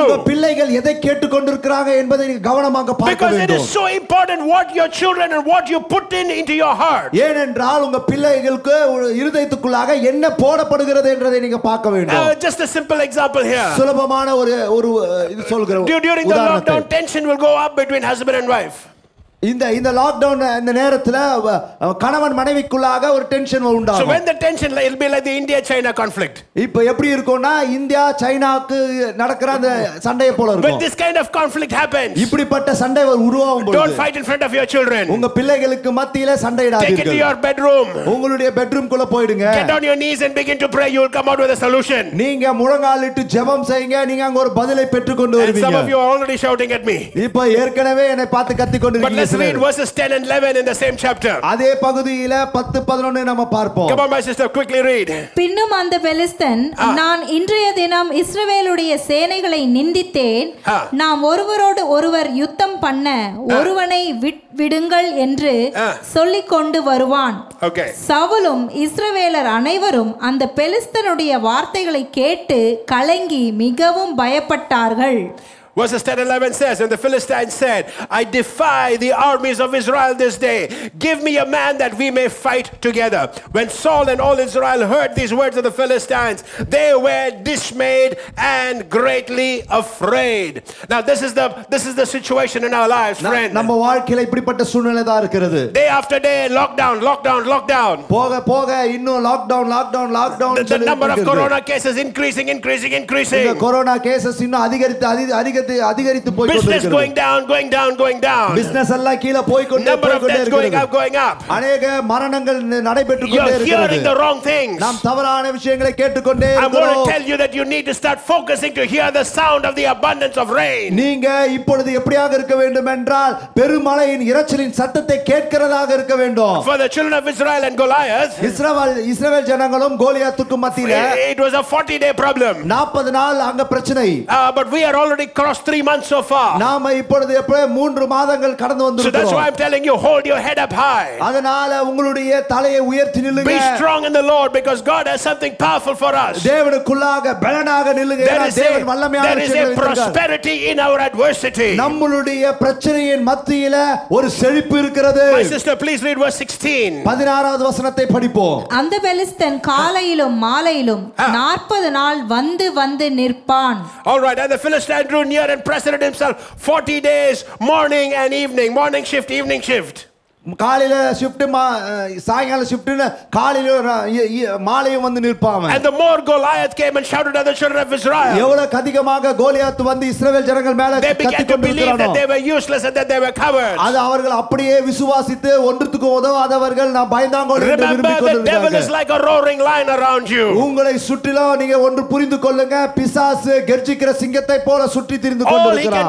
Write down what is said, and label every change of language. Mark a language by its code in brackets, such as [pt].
[ta] உங்க பிள்ளைகள் எதை கேட்டுக்கொண்டிருக்காங்க என்பதை நீங்க கவனமாக பார்க்க வேண்டும். [en] Because it is so important what your children and what you put into your heart. [ta] ஏனென்றால் உங்க பிள்ளைகளுக்கு இதயத்துக்குள்ளாக என்ன போடப்படுகிறது என்பதை நீங்க பார்க்க வேண்டும். [en] Just a simple example here. [ta] சுலபமான ஒரு ஒரு இது சொல்றேன். [en] During the lockdown tension will go up between husband and wife. [ta] இந்த லாக்டவுன் இந்த நேரத்துல கணவன் மனைவிக்குள்ளாக ஒரு டென்ஷன் உண்டாகும். [en] So when the tension will be like the India China conflict. [ta] இப்போ எப்படி இருக்கும்னா இந்தியா சைனாக்கு நடக்கிற அந்த சண்டைய போல இருக்கும். [en] When this kind of conflict happens. [ta] இப்படிப்பட்ட சண்டை உருவாகும் பொழுது. [en] Don't fight in front of your children. [ta] உங்க பிள்ளைகளுக்கு மத்தியில சண்டையிடாதீர்கள். [en] Take it to your bedroom. [ta] உங்களுடைய பெட்ரூம் குள்ள போய்டுங்க. [en] Get on your knees and begin to pray. You will come out with a solution. [ta] நீங்க முழங்காலிட்டு ஜெபம் செய்ங்க. நீங்க அங்க ஒரு பதிலை பெற்றுக்கொண்டு வருவீங்க. [en] Some of you are already shouting at me. [ta] இப்போ ஏற்கனவே என்னை பார்த்து கத்தி கொண்டிருக்கீங்க. [en] Let's read verses 10 and 11 in the same chapter. [ta] அதே பகுதியில் 10 11 நாம பார்ப்போம். [en] Come on my sister, quickly read. [ta] பின்னும் அந்த பெலிஸ்தன், நான் இன்றைய தினம் இஸ்ரவேலுடைய சேனைகளை நிந்தித்தேன். நாம் ஒருவரோடு ஒருவர் யுத்தம் பண்ண ஒருவனை விடுங்கள் என்று சொல்லிக்கொண்டு வருவான். [en] Okay. [ta] சவுலும் இஸ்ரவேலர் அனைவரும் அந்த பெலிஸ்தனுடைய வார்த்தைகளை கேட்டு கலங்கி மிகவும் பயப்பட்டார்கள். [en] Verses 10 and 11 says, and the Philistine said, I defy the armies of Israel this day. Give me a man that we may fight together. When Saul and all Israel heard these words of the Philistines, they were dismayed and greatly afraid. Now this is the situation in our lives, friend. [ta] நம்ம வாழ்க்கையில இப்படிப்பட்ட சூழ்நிலை தான் இருக்குது. [en] Day after day, lockdown, lockdown, lockdown. [ta] போக போக இன்னும் lockdown, lockdown, lockdown. [en] The number of corona cases increasing, increasing, increasing. [ta] இந்த corona cases இன்னும் அதிகரித்து அதிகரித்து போய் கொண்டிருக்கிறது. [en] Business going down, going down, going down. [ta] Business எல்லாம் கீழ போய் கொண்டிருக்கிறது. அநேக மரணங்கள் நடைபெற்று கொண்டிருக்கிறது. You're hearing the wrong things. நாம் தவறான விஷயங்களை கேட்டுக்கொண்டே இருக்கிறோம். [en] I want to tell you that you need to start focusing to hear the sound of the abundance of rain. [ta] நீங்க இப்பொழுது எப்படியாக இருக்க வேண்டும் என்றால் பெருமழையின் இறைச்சலின் சத்தத்தை கேட்கிறதாக இருக்க வேண்டும். [en] For the children of Israel and Goliath. [ta] இஸ்ரவேல் ஜனங்களும் கோலியாத்துக்கும் மத்தியில. [en] It was a 40-day problem. [ta] 40 நாள் அங்க பிரச்சனை. [en] But we are already cross 3 months so far. [ta] நாம இப்பொழுது எப்பவே 3 மாதங்கள் கடந்து வந்திருக்கோம். [en] So that's why I'm telling you, hold your head up high. [ta] அதனால உங்களுடைய தலையை உயர்த்தி நில்லுங்க. [en] Be strong in the Lord because God has something powerful for us. [ta] தேவனுக்குள்ளாக பலனாக நில்லுங்க. தேவன் வல்லமையாக இருக்கிறார். [en] There is a prosperity in our adversity. [ta] நம்மளுடைய பிரச்சனையின் மத்தியில ஒரு செழிப்பு இருக்கிறது. [en] My sister, please read verse 16. [ta] 16வது வசனத்தை படிப்போம். அந்த பெலிஸ்தன் காலையிலும் மாலையிலும் 40 நாள் வந்து நிற்பான். [en] All right, and the Philistine drew near and presented himself 40 days morning and evening, morning shift, evening shift. [ta] காலையில ஷிப்ட் சாயங்கால ஷிப்ட் காலையில மாலையும் வந்து நிற்பாங்க. [en] And the more Goliath came and shouted at the children of Israel. [ta] எவ்வளவு அதிகமாக கோலியாத் வந்து இஸ்ரவேல் ஜனங்கள் மேல கத்தி கொண்டிருந்தானோ. [en] They were useless and that they were cowards. [ta] அது அவர்கள் அப்படியே விசுவாசித்து ஒன்றுத்துக்கு உதவாதவர்கள் நான் பயந்தாங்க என்று விரும்பி கொண்டிருந்தாங்க. [en] The devil is like a roaring lion around you. [ta] உங்களை சுற்றிலும் நீங்க ஒன்று புரிந்து கொள்ளுங்க, பிசாசு கெர்ஜிக்கிற சிங்கத்தை போல சுற்றி திரிந்து கொண்டிருக்கிறான்.